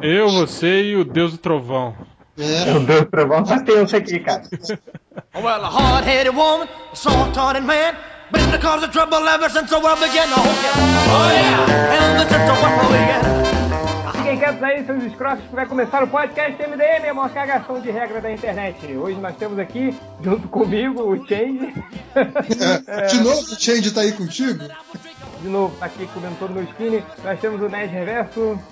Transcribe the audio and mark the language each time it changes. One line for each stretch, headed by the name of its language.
Portuguese: Eu, você e o Deus do Trovão. É. O Deus do Trovão, mas tem uns aqui, cara.
English: Well, a hard-headed woman, a soft-hearted man, been the cause of trouble ever since the world began. Oh, yeah! Oh, yeah! And the church of one again.
Portuguese: Fiquem quietos aí, seus escrotos, que vai começar o podcast MDM, a maior cagação de regra da internet. Hoje nós temos aqui, junto comigo, o Change. De novo, o Change tá aí contigo? De novo, tá aqui comendo todo o meu skin. Nós temos o Nerd Reverso.